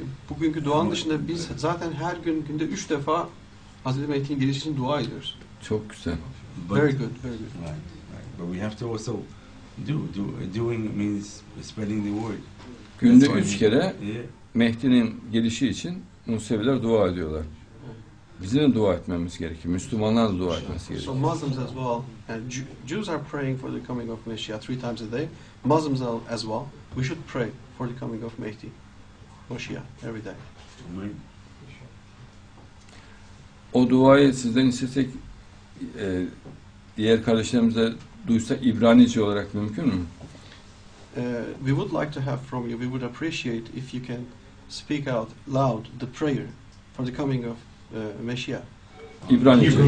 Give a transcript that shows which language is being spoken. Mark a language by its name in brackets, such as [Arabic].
[Turkish] Bugünkü duanın dışında biz zaten her gün günde 3 defa Hazreti Mehdi'nin gelişi için dua ediyoruz. Çok güzel. [English] Very good. Right. But we have to also doing means spreading the word. [Turkish] Günde 3 kere Mehdi'nin gelişi için Museviler dua ediyorlar. Bizim de dua etmemiz gerekiyor. Müslümanlar da dua etmesi gerekiyor. [English] So Muslims as well. And Jews are praying for the coming of Mashiach 3 times a day. Muslims as well. We should pray for the coming of Mehdi. Mashiach every day. [Turkish] O duayı sizden istesek diğer kardeşlerimize duysa İbranice olarak mümkün mü? [English] We would like to have from you. We would appreciate if you can speak out loud the prayer for the coming of Mashiach.